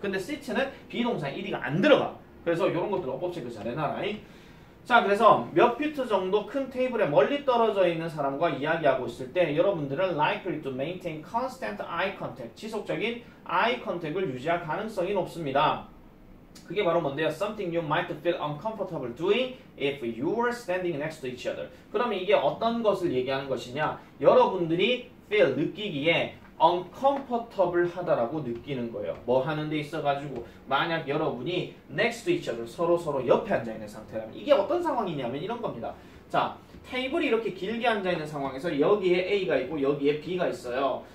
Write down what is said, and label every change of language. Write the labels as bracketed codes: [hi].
[ko] 근데 seat는 비동사에 ed가 안 들어가. 그래서 이런 것들 어법 체크 잘 해놔라. 자, 그래서 몇 피트 정도 큰 테이블에 멀리 떨어져 있는 사람과 이야기하고 있을 때 여러분들은 [en] likely to maintain constant eye contact, [ko] 지속적인 eye contact을 유지할 가능성이 높습니다. 그게 바로 뭔데요? [en] Something you might feel uncomfortable doing if you were standing next to each other. [ko] 그러면 이게 어떤 것을 얘기하는 것이냐? 여러분들이 feel, 느끼기에 uncomfortable 하다라고 느끼는 거예요. 뭐 하는 데 있어가지고 만약 여러분이 [en] next to each other [ko] 서로 옆에 앉아있는 상태라면 이게 어떤 상황이냐면 이런 겁니다. 자, 테이블이 이렇게 길게 앉아있는 상황에서 여기에 A가 있고 여기에 B가 있어요.